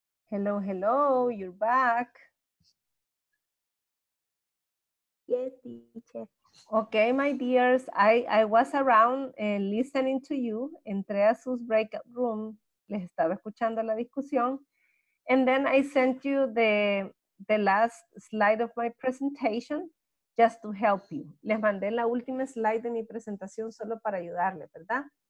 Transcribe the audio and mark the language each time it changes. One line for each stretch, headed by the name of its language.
English: Hello, hello, you're back. Yes, teacher. Okay, my dears, I was around listening to you.
Spanish: Entré a sus breakout room, les estaba escuchando la discusión.
English: And then I sent you the last slide of my presentation just to help you.
Spanish: Les mandé la última slide de mi presentación solo para ayudarle, ¿verdad?